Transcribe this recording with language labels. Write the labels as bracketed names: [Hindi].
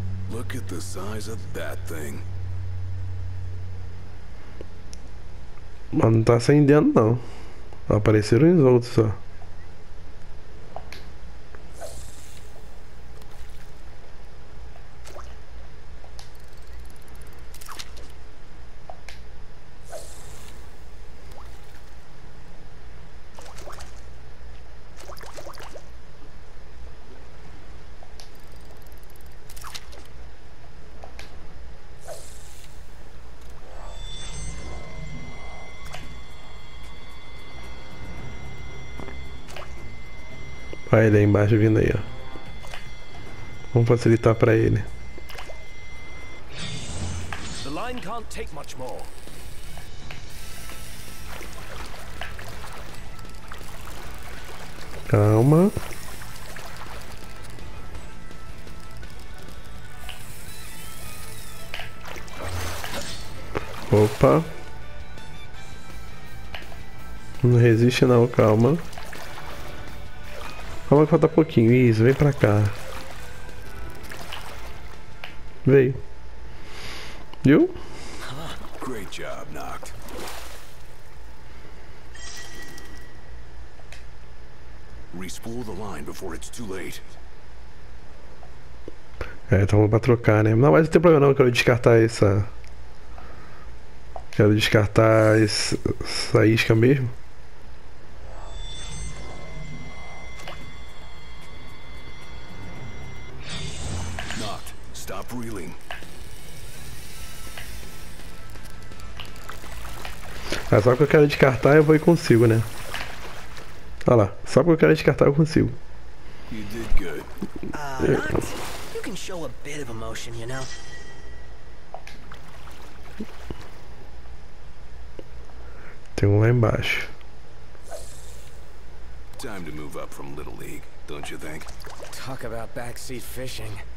[English] Look at the size of that thing. [Portuguese] Mas não tá acendendo não. Apareceram os outros, ó. Olha ele aí embaixo vindo aí, ó. Vamos facilitar pra ele. [English] The line can't take much more. [Portuguese] Calma. Opa. Não resiste não, calma. Calma que falta pouquinho. Isso, vem pra cá. Veio. Viu? [English] Great job, Noct. Respool the line before it's too late. [Portuguese] É, então pra trocar, né? Não, mas não tem problema não, eu quero descartar essa. Quero descartar essa isca mesmo. [English] Noct, stop reeling. [Portuguese] É, só que eu quero descartar, eu vou e consigo, né? Olha lá, só que eu quero descartar, eu consigo. [English] You did good. You can show a bit of emotion, you know? [Portuguese] Tem um lá embaixo. [English] Time to move up from Little League, don't you think? Talk about backseat fishing.